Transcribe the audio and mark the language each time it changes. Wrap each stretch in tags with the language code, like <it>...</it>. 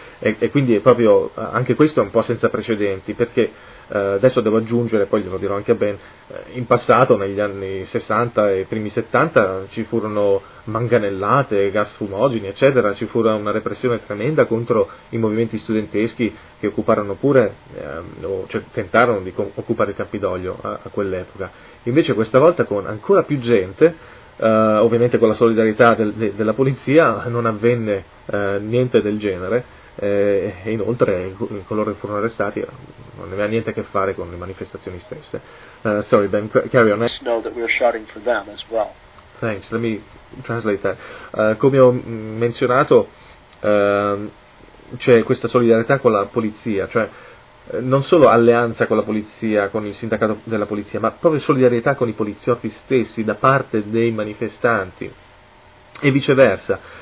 <it>E quindi è proprio, anche questo è un po' senza precedenti, perché adesso devo aggiungere, poi glielo dirò anche a Ben, in passato, negli anni 60 e primi 70, ci furono manganellate, gas fumogeni, eccetera, ci fu una repressione tremenda contro i movimenti studenteschi che occuparono pure, tentarono di occupare il Campidoglio a quell'epoca. Invece questa volta con ancora più gente, ovviamente con la solidarietà della polizia, non avvenne niente del genere, e inoltre coloro che furono arrestati non aveva niente a che fare con le manifestazioni stesse.</it> <en>Sorry, Ben, carry on. Just know that we're shouting for them as well. Thanks, let me translate that.</en> <it>Come ho menzionato, c'è questa solidarietà con la polizia, cioè non solo alleanza con la polizia, con il sindacato della polizia, ma proprio solidarietà con i poliziotti stessi da parte dei manifestanti e viceversa.</it>